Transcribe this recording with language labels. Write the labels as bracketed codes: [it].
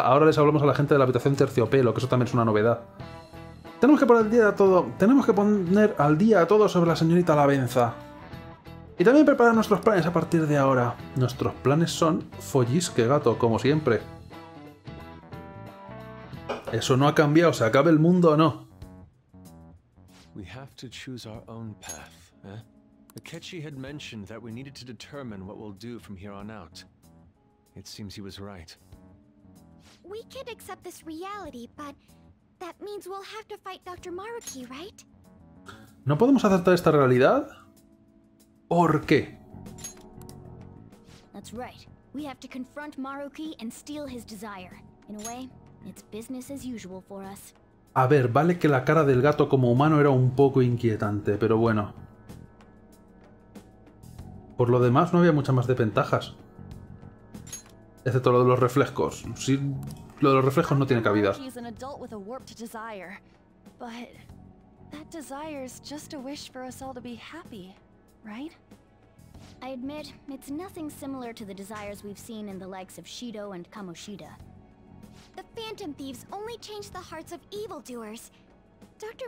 [es] Ahora les hablamos a la gente de la habitación terciopelo, que eso también es una novedad. Tenemos que poner al día a todo. Tenemos que poner al día a todo sobre la señorita la benza. Y también preparar nuestros planes a partir de ahora. Nuestros planes son follisque, gato, como siempre. Eso no ha cambiado, se acabe el mundo o no. [en] We have to choose our own path, eh? Akechi had mentioned that we needed to determine what we'll do from here on out. It seems he was right. We can't accept this reality, but that means we'll have to fight Dr. Maruki, right? [es] ¿No podemos aceptar esta realidad? ¿Por qué? [en] That's right. We have to confront Maruki and steal his desire. In a way, it's business as usual for us. [es] A ver, vale que la cara del gato como humano era un poco inquietante, pero bueno. Por lo demás, no había muchas más desventajas. Excepto lo de los reflejos. Sí, lo de los reflejos no tiene cabida. [en] He's an adult with a warped desire. But that desire is just a wish for us all to be happy, right? I admit, it's nothing similar to the desires we've seen in the likes of Shido and Kamoshida. The Phantom Thieves only change the hearts of evildoers. Dr.